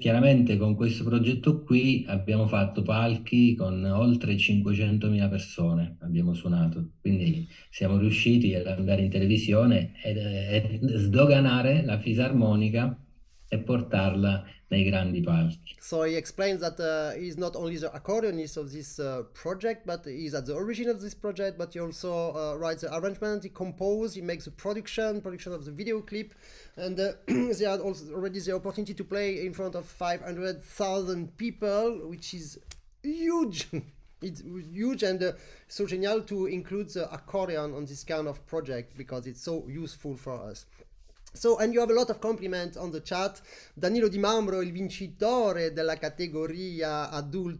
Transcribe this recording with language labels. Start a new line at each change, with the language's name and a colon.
Italian: Chiaramente con questo progetto qui abbiamo fatto palchi con oltre 500.000 persone, abbiamo suonato, quindi siamo riusciti ad andare in televisione e sdoganare la fisarmonica e portarla nei grandi palchi.
English: So he explains that he's not only the accordionist of this project, but he's at the origin of this project, but he also writes the arrangement, he composes, he makes the production of the video clip, and they had also already the opportunity to play in front of 500,000 people, which is huge. It's huge and so genial to include the accordion on this kind of project because it's so useful for us. So, and you have a lot of compliments on the chat.
Italian: Danilo Di Mambro, il vincitore della categoria Adult